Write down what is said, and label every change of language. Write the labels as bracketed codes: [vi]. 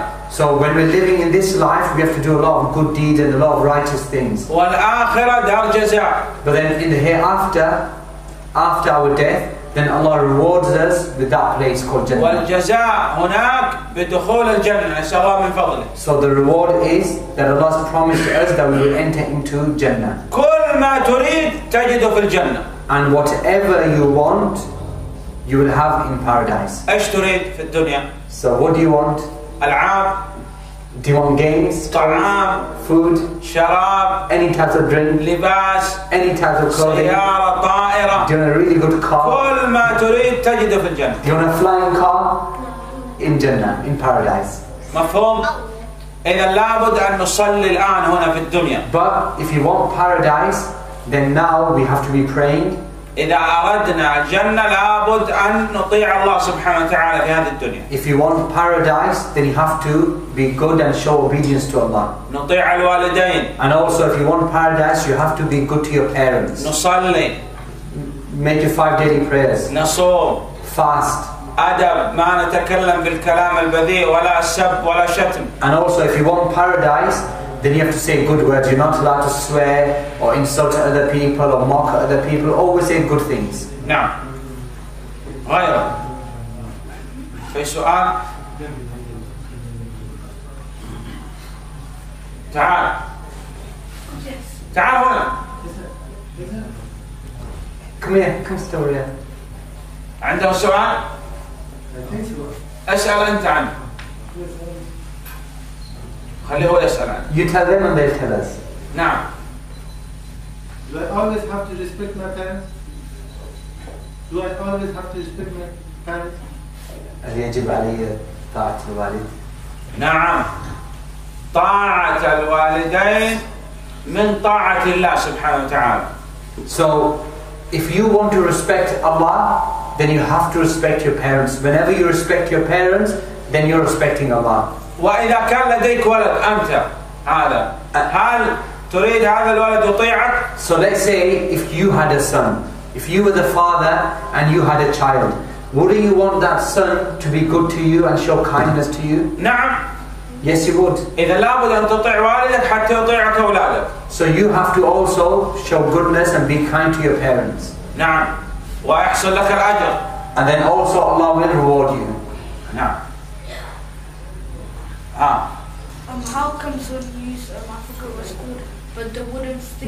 [en] So when we're living in this life, we have to do a lot of good deeds and a lot of righteous things. But then in the hereafter, after our death, then Allah rewards us with that place called Jannah. [ar] والجزاء هناك بدخول الجنة سواء من فضله. [en] So the reward is that Allah promised us that we will enter into Jannah. [ar] كل ما تريد تجده في الجنة. [en] And whatever you want, you will have in paradise. [ar] إيش تريد في الدنيا؟ [en] So what do you want? [ar] ألعاب. [en] Do you want games? [ar] طعام. [en] Food. [ar] شراب. [en] Any type of drink. [ar] لباس. [en] Any type of clothing. [ar] سيارة طائرة. [en] Do you want a really good car? [ar] كل ما تريد تجده في الجنة. [en] Do you want a flying car? In Jannah, in paradise. [ar] مفهوم؟ إذا لابد أن نصلي الآن هنا في الدنيا. [en] But if you want paradise, then now we have to be praying. [ar] إذا أردنا الجنة لابد أن نطيع الله سبحانه وتعالى في هذه الدنيا. [en] If you want paradise, then you have to be good and show obedience to Allah. [ar] نطيع الوالدين. [en] And also, if you want paradise, you have to be good to your parents. [ar] نصلي. [en] Make your 5 daily prayers. [ar] نصوم. [en] Fast. [ar] أدب ما نتكلم بالكلام البذيء ولا السب ولا شتم. [en] And also, if you want paradise. Then you have to say good words. You're not allowed to swear or insult other people or mock other people. Always say good things. [ar] نعم. غير. في سؤال. تعال. تعال هنا. [en] Come here. Come story. [ar] عنده سؤال. أسأل أنت عنه. [en] You tell them and they'll tell us. Now. Do I always have to respect my parents? Do I always have to respect my parents? [ar] هل يجب علي طاعة الوالد؟ نعم. طاعة الوالدين من طاعة الله سبحانه وتعالى. [en] So, if you want to respect Allah, then you have to respect your parents. Whenever you respect your parents, then you're respecting Allah. [ar] وإذا كان لديك ولد أنت هذا هل تريد هذا الولد يطيعك؟ [en] So let's say if you had a son, if you were the father and you had a child, wouldn't you want that son to be good to you and show kindness to you? [ar] نعم. [en] Yes, you would. [ar] إذا لابد أن تطيع والدك حتى يطيعك أولادك. [en] So you have to also show goodness and be kind to your parents. [ar] نعم. ويحصل لك الأجر. [en] And then also Allah will reward you. [ar] نعم. [en] How come some use of Africa was good, but the wooden stick